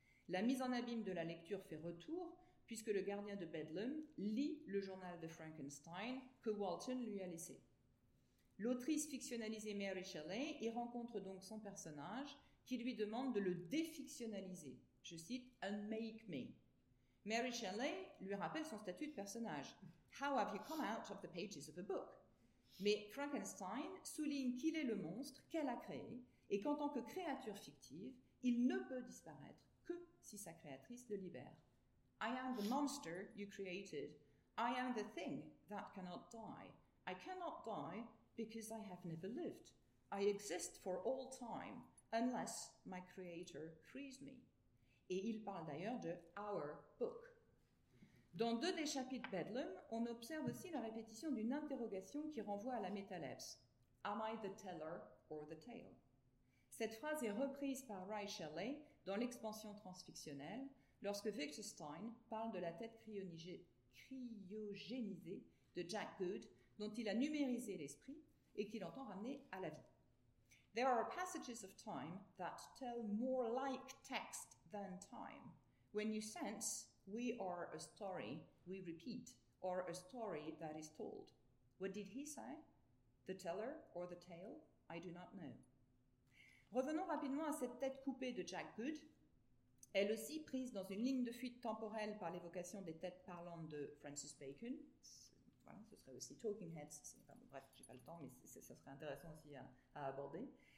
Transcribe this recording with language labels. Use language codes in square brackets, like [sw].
[fr] La mise en abîme de la lecture fait retour puisque le gardien de Bedlam lit le journal de Frankenstein que Walton lui a laissé. L'autrice fictionnalisée Mary Shelley y rencontre donc son personnage qui lui demande de le défictionnaliser. Je cite « [en] Unmake me [fr] ». Mary Shelley lui rappelle son statut de personnage. [en] « How have you come out of the pages of a book ?» [fr] Mais Frankenstein souligne qu'il est le monstre qu'elle a créé et qu'en tant que créature fictive, il ne peut disparaître que si sa créatrice le libère. [en] I am the monster you created. I am the thing that cannot die. I cannot die because I have never lived. I exist for all time unless my creator frees me. [fr] Et il parle d'ailleurs de our book. Dans deux des chapitres Bedlam, on observe aussi la répétition d'une interrogation qui renvoie à la métalepse. [en] Am I the teller or the tale? [fr] Cette phrase est reprise par Ray Shelley dans l'expansion transfictionnelle, lorsque Wittgenstein parle de la tête cryogénisée de Jack Good, dont il a numérisé l'esprit et qu'il entend ramener à la vie. [en] There are passages of time that tell more like text than time. When you sense we are a story we repeat, or a story that is told. What did he say? The teller or the tale? I do not know. [fr] Revenons rapidement à cette tête coupée de Jack Good, elle aussi prise dans une ligne de fuite temporelle par l'évocation des têtes parlantes de Francis Bacon. Voilà, ce serait aussi Talking Heads, enfin, bon, bref, je n'ai pas le temps, mais ce serait intéressant aussi à aborder.